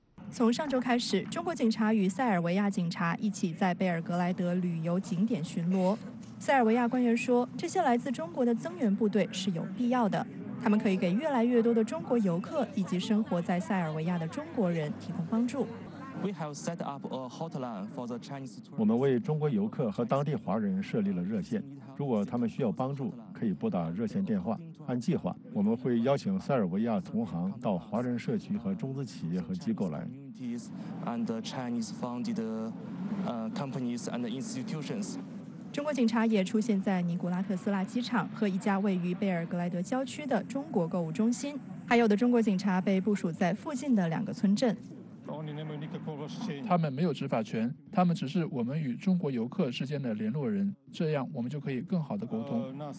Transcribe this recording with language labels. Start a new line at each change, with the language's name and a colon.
Chinese: 从上周开始，中国警察与塞尔维亚警察一起在贝尔格莱德旅游景点巡逻。塞尔维亚官员说，这些来自中国的增援部队是有必要的，他们可以给越来越多的中国游客以及生活在塞尔维亚的中国人提供帮助。
English: We have set up a hotline for the Chinese tourists.
Chinese: 我们为中国游客和当地华人设立了热线，如果他们需要帮助，可以拨打热线电话。按计划，我们会邀请塞尔维亚同行到华人社区和中资企业和机构来。
English: And Chinese funded companies and institutions.
Chinese: 中国警察也出现在尼古拉特斯拉机场和一家位于贝尔格莱德郊区的中国购物中心，还有的中国警察被部署在附近的两个村镇。他们没有执法权，他们只是我们与中国游客之间的联络人，这样我们就可以更好的沟通。